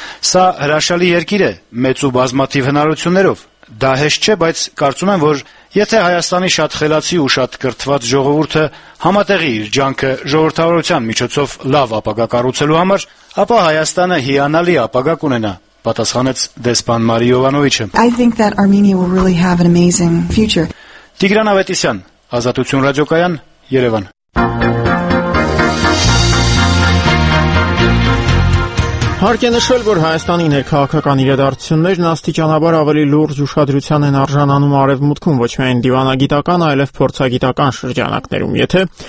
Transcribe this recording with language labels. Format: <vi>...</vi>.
<hy>Սա հրաշալի երկիր է, մեծ ու բազմաթիվ հնարություններով։ Դա հեշտ չէ, բայց կարծում եմ, որ եթե Հայաստանի շատ խելացի ու շատ կրթված ժողովուրդը համատեղի իր ջանքը ժողովրդավարության միջոցով լավ ապագա կառուցելու համար, ապա Հայաստանը հիանալի ապագա կունենա, պատասխանեց դեսպան Մարի Յովանովիչը։</hy> <en>I think that Armenia will really have an amazing future.</en> <hy>Տիգրան Ավետիսյան, Ազատություն ռադիոկայան, Երևան։ Հարկ է նշել, որ Հայաստանի ներքաղաքական իրադարձություններն աստիճանաբար ավելի լուրջ ուշադրության են արժանանում Արևմուտքում, ոչ միայն դիվանագիտական, այլև փորձագիտական շրջանակներում։ Եթե</hy>